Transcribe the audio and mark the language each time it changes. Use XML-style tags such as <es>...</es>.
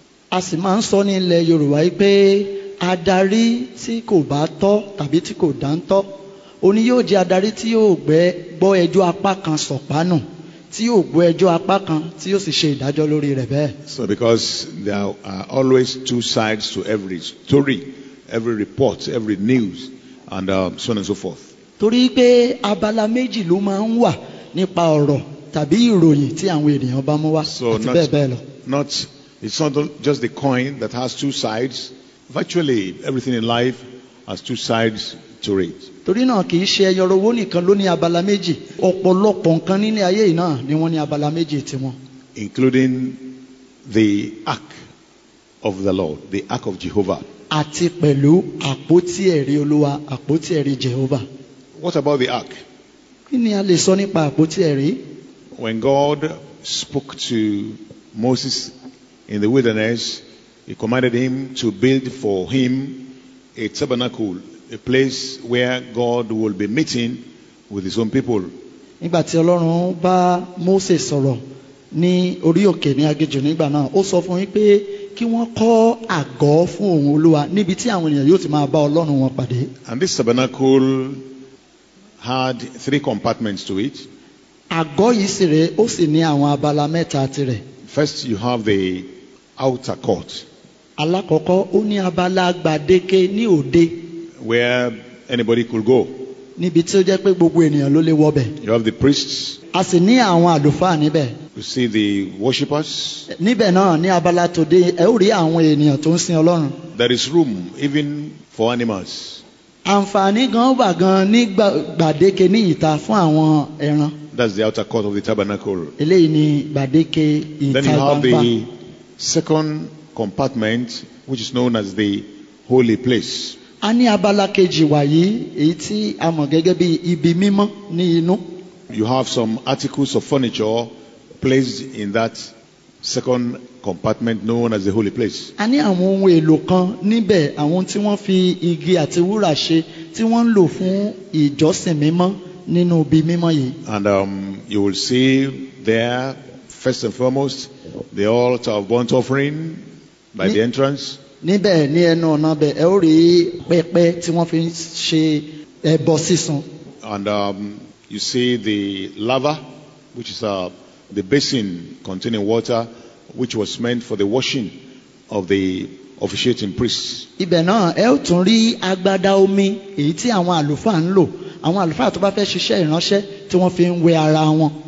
<yo>A sì máa ń sọ ní ilẹ̀ Yorùbá pé adarí tí kò bá tọ́ tàbí tí kò dáńtọ́, òní yóò jẹ́ adarí tí yóò gbọ́ ẹjọ́ apá kan sọ̀pánù, tí yóò gbọ́ ẹjọ́ apá kan tí yóò sì ṣe ìdájọ́ lórí rẹ̀ bẹ́ẹ̀.</yo> <en>So because there are always two sides to every story, every report, every news, and so on and so forth.</en> <yo>Torí pé abala méjì ló máa ń wà nípa ọ̀rọ̀ tàbí ìròyìn tí àwọn ènìyàn bá mú wá àti bẹ́ẹ̀ bẹ́ẹ̀ lọ.</yo> <en>It's not just the coin that has two sides. Virtually everything in life has two sides to it.</en> <yo>Torí náà kì í ṣe ẹyọrọ owó nìkan ló ní abala méjì. Ọ̀pọ̀lọpọ̀ nǹkan nílé ayé yìí náà ni wọ́n ní abala méjì tiwọn.</yo> <en>Including the ark of the Lord, the ark of Jehovah.</en> <yo>Àti pẹ̀lú àpótí ẹ̀rí Olúwa, àpótí ẹ̀rí Jehovah.</yo> <en>What about the ark?</en> <yo>Kí ni a lè sọ nípa àpótí ẹ̀rí?</yo> <en>When God spoke to Moses in the wilderness, he commanded him to build for him a tabernacle, a place where God will be meeting with his own people.</en> <yo>Nígbà tí Ọlọ́run bá Moses sọ̀rọ̀ ní orí òkè ní aginjù nígbà náà, ó sọ fún yín pé kí wọ́n kọ́ àgọ́ fún òun Olúwa níbi tí àwọn ènìyàn yóò ti máa bá Ọlọ́run wọn pàdé.</yo> <en>And this tabernacle had three compartments to it.</en> <yo>Àgọ́ yìí sì rèé, ó sì ní àwọn abala mẹ́ta tirẹ̀.</yo> <en>First, you have the outer court.</en> <yo>Alákọ̀ọ́kọ́, ó ní abala gbàdéke ní òde.</yo> <en>Where anybody could go.</en> <yo>Níbi tí ó jẹ́ pé gbogbo ènìyàn ló lè wọbẹ̀.</yo> <en>You have the priests.</en> <yo>A sì ní àwọn àlùfáà níbẹ̀.</yo> <en>You see the worshippers.</en> <yo>Níbẹ̀ náà ní abala tòde, ẹ ó rí àwọn ènìyàn tó ń sin Ọlọ́run.</yo> <en>There is room even for animals.</en> <yo>Àǹfààní gan wà gan ní gbàdéke ní ìta fún àwọn ẹran.</yo> <en>That's the outer court of the tabernacle.</en> <yo>Eléyìí ni gbàdéke ìta gbangba.</yo> <en>Then you have the second compartment, which is known as the holy place.</en> <yo>A ní abala kejì wàyí, èyí tí a mọ̀ gẹ́gẹ́ bí ibi mímọ́ ní inú.</yo> <en>You have some articles of furniture placed in that second compartment known as the holy place.</en> <yo>A ní àwọn ohun èlò kan níbẹ̀, àwọn tí wọ́n fi igi àti wúrà ṣe, tí wọ́n ń lò fún ìjọsìn mímọ́ nínú ibi mímọ́ yìí.</yo> <en>And you will see there, first and foremost, the altar of burnt offering by the entrance.</en> <yo>Níbẹ̀ ní ẹnu ọ̀nà bẹ̀, ẹ ó rí pẹpẹ tí wọ́n fi ń ṣe ẹbọ sísun.</yo> <en>And you see the laver, which is the basin containing water, which was meant for the washing of the officiating priests.</en> <yo>Ibẹ̀ náà, ẹ ó tún rí agbada omi, èyí tí àwọn àlùfáà ń lò, àwọn àlùfáà tó bá fẹ́ ṣiṣẹ́ ìránṣẹ́ tí wọ́n fi ń wẹ ara wọn.</yo>